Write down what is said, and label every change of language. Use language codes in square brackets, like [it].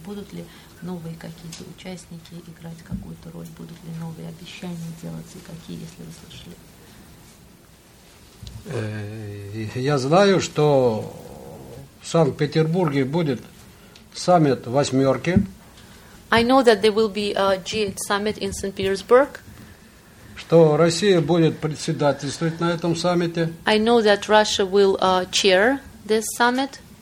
[ru] Будут ли новые какие-то участники играть какую-то роль? Будут ли новые обещания делаться? И какие, если вы слышали? Я знаю, что в Санкт-Петербурге будет саммит Восьмерки. [en] I know that there will be a G8 summit in St. Petersburg. [ru] Что Россия будет председательствовать на этом саммите. [en] I know that Russia will chair this summit.